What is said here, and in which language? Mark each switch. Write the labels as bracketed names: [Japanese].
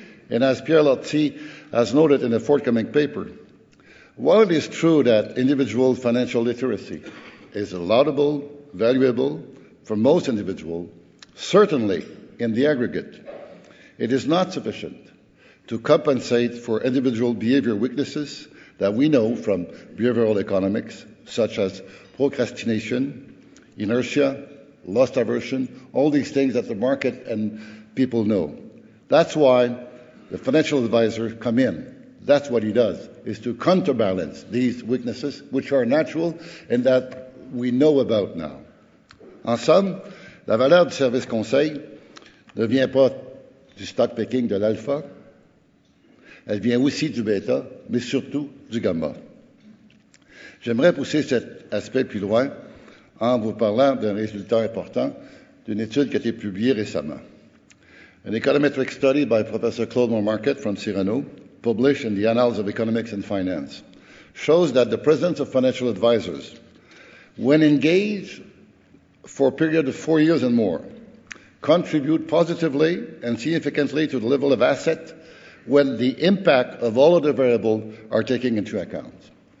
[English] And as Pierre Lotti has noted in a forthcoming paper, while it is true that individual financial literacy is laudable, valuable for most individuals, certainly in the aggregate, it is not sufficient to compensate for individual behavior weaknesses that we know from behavioral economics, such as procrastination, inertia, lust aversion, all these things that the market and people know. That's why the financial advisor come in. That's what he does, is to counterbalance these weaknesses, which are natural and that we know about now. [French] En somme, la valeur du service conseil ne vient pas du stock picking de l'alpha. Elle vient aussi du bêta, mais surtout du gamma. J'aimerais pousser cet aspect plus loin en vous parlant d'un résultat important d'une étude qui a été publiée récemment. [English] An econometric study by Professor Claude Marmarket from Cyrano, published in the Annals of Economics and Finance, shows that the presence of financial advisors, when engaged for a period of 4 years and more, contribute positively and significantly to the level of asset when the impact of all other variables are taken into account.